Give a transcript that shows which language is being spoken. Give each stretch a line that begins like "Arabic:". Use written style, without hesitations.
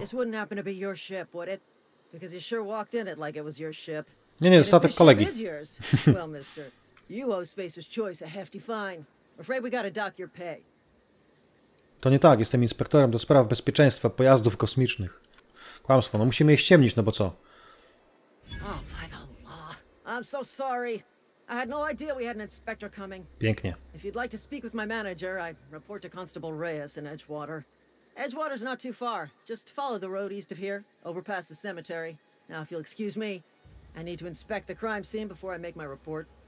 English: This wouldn't happen to be your ship, would it? Because you sure walked in it like it was your ship.
Polish: Nie, nie, statek kolegi.
English: Well, mister, you owe Spacer's Choice a hefty fine. Afraid we gotta dock your pay.
Polish: To nie tak, jestem inspektorem do spraw bezpieczeństwa pojazdów kosmicznych. Kłamstwo, no musimy je ściemnić, no bo co?
English: Oh, by the law. I'm so sorry. I had no idea we had an inspector coming.
Polish: Pięknie.
English: If you'd like to speak with my manager, I report to Constable Reyes in Edgewater. Edgewater's not too far. Just follow the road east of here, over past the cemetery. Now, if you'll excuse me, I need to inspect the crime scene before I make my report.